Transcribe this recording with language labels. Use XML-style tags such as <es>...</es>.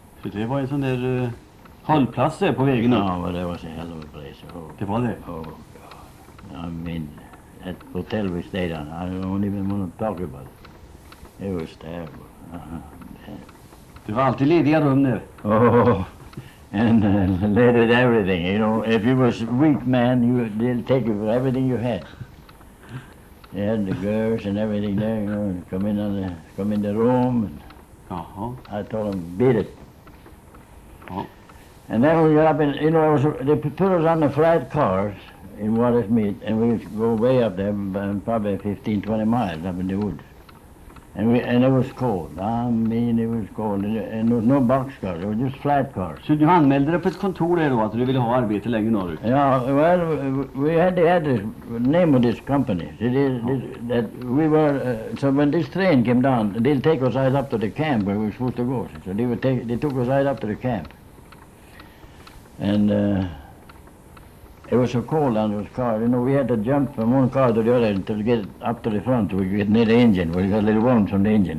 <sv>Så det var en sån där hållplats på vägen?</sv> <en>No, but that was a hell of a place. Oh,</en> <sv>det var det?</sv> <en>Oh, God. I mean, that hotel we stayed on, I don't even want to talk about it. It was terrible.</en> <sv>Det var alltid lediga rum där.</sv> <en>And let it everything, you know. If you was weak man, they'll take you for everything you had. They had the girls and everything there, you know, and come in the room. And uh-huh. I told them, beat it. Uh-huh. And then we got up in, you know, they put us on the flat cars in Watersmith, and we go way up there, probably 15, 20 miles up in the woods. And it was cold. I mean, it was cold. And there was no boxcars. It was just flat cars.</en> <sv>Så du anmälde dig på ett kontor där då att du ville ha arbete längre norrut?</sv> <en>Ja, well, we had the address, name of this company. So when this train came down, they'd take us right up to the camp where we were supposed to go. So they took us right up to the camp. And it was so cold on those cars, you know, we had to jump from one car to the other to get up to the front, we get near the engine, we got a little warmth from the engine.</en>